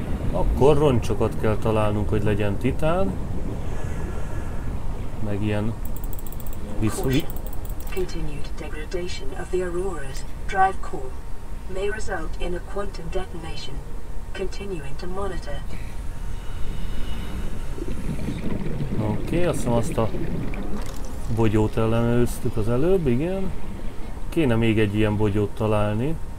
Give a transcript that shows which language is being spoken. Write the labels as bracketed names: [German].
[Hungarian] Akkor roncsokat kell találnunk, hogy legyen titán. Meg ilyen viszonyi. [English] Continued degradation of the Aurora's drive core may result in a quantum detonation. Continuing to monitor. [Hungarian] Oké, azt hiszem azt a bogyót ellenőztük az előbb, igen. Kéne még egy ilyen bogyót találni.